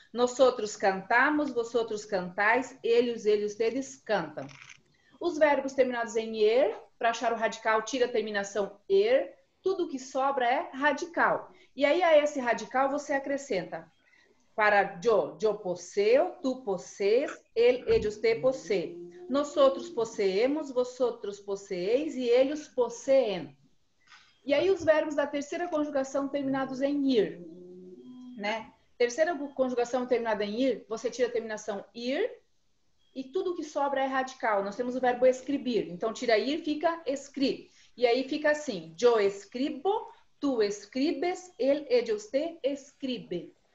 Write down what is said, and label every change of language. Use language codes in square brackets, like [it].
[es] Nosotros cantamos, vosotros cantais, ellos ustedes cantam. [pt] Os verbos terminados em er, para achar o radical, tira a terminação er. Tudo que sobra é radical. E aí, a esse radical, você acrescenta. [es] Para yo, yo poseo, tú posees, él, ellos te posee. Nosotros poseemos, vosotros poseéis e ellos poseen. [pt] E aí, os verbos da terceira conjugação terminados em ir. Né? Terceira conjugação terminada em ir, você tira a terminação ir. E tudo que sobra é radical. Nós temos o verbo escribir. Então, tira ir, fica escri. E aí, fica assim. [es] Yo escribo. Tu escribes, él, ella, usted escribe.